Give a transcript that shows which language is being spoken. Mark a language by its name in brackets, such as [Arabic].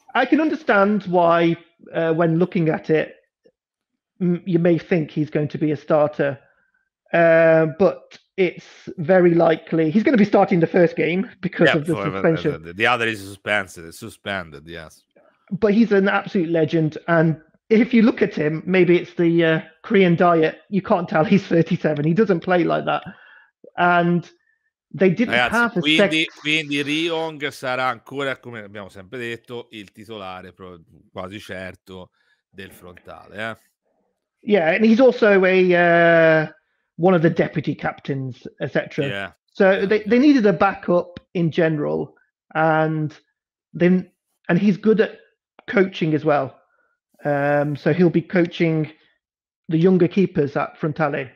[English] I can understand why, when looking at it, you may think he's going to be a starter, but it's very likely he's going to be starting the first game because of the suspension. The other is suspended, yes. But he's an absolute legend, and if you look at him, maybe it's the Korean diet. You can't tell he's 37. He doesn't play like that, and they didn't have a [Italian] quindi, quindi Ryong sarà ancora, come abbiamo sempre detto, il titolare quasi certo del frontale. [English] Yeah, and he's also a one of the deputy captains, etc. They needed a backup in general, and he's good at coaching as well. So he'll be coaching the younger keepers at Frontale.